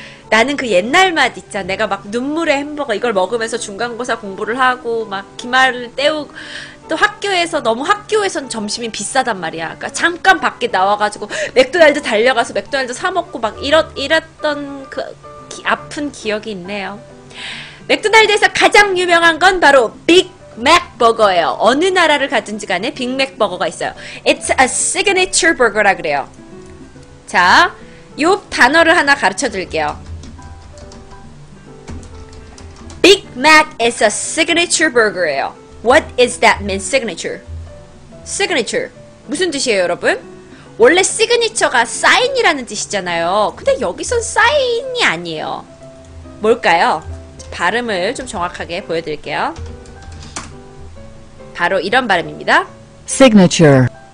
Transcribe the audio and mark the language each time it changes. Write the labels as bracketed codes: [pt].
[ko] 나는 그 옛날 맛 있잖아. 내가 막 눈물의 햄버거 이걸 먹으면서 중간고사 공부를 하고 막 기말을 때우고 또 학교에서 너무 학교에선 점심이 비싸단 말이야. 그러니까 잠깐 밖에 나와가지고 맥도날드 달려가서 맥도날드 사먹고 막 이랬던 그 아픈 기억이 있네요. 맥도날드에서 가장 유명한 건 바로 빅 맥버거예요. 어느 나라를 가든지 간에 빅맥버거가 있어요. [en] It's a signature burger [ko] 라 그래요. 자, 요 단어를 하나 가르쳐드릴게요. [en] Big Mac is a signature burger예요. What is that mean, signature? [ko] Signature. 무슨 뜻이에요, 여러분? 원래 signature가 sign이라는 뜻이잖아요. 근데 여기선 sign이 아니에요. 뭘까요? 발음을 좀 정확하게 보여드릴게요. 바로 이런 발음입니다. [en] Signature.